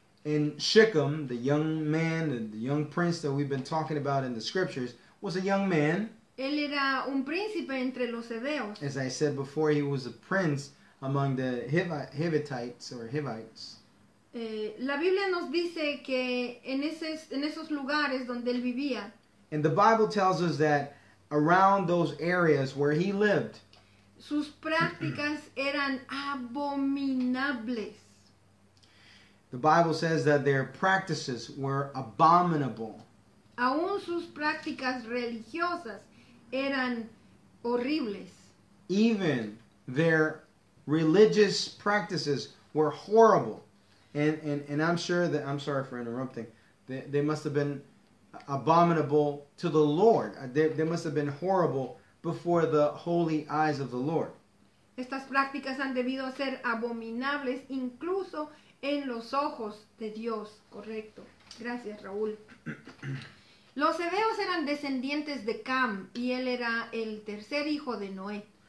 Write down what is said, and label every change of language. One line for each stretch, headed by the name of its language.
English: And Shechem, the young man, the young prince that we've been talking about in the scriptures, was a young man.
Spanish: Él era un príncipe entre los hebeos.
English: As I said before, he was a prince among the Hivites or Hivites.
Spanish: La Biblia nos dice que en esos lugares donde él vivía.
English: And the Bible tells us that around those areas where he lived,
Spanish: sus prácticas eran abominables.
English: The Bible says that their practices were abominable.
Spanish: Aún sus prácticas religiosas eran horribles.
English: Even their religious practices were horrible. And I'm sure that, I'm sorry for interrupting, they must have been abominable to the Lord. They must have been horrible before the holy eyes of the Lord.
Spanish: Estas prácticas han debido ser abominables incluso en los ojos de Dios. Correcto. Gracias, Raúl. Los hebeos eran descendientes de Cam y él era el tercer hijo de Noé.